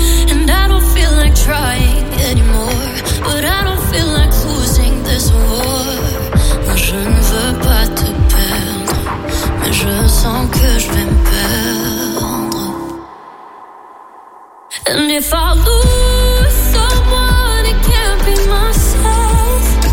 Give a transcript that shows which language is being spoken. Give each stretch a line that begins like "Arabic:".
English: And I don't feel like trying anymore. But I don't feel like losing this war.
French: Moi je ne veux pas te perdre. Je sens que je vais me perdre.
English: And if I lose someone, it can't be myself.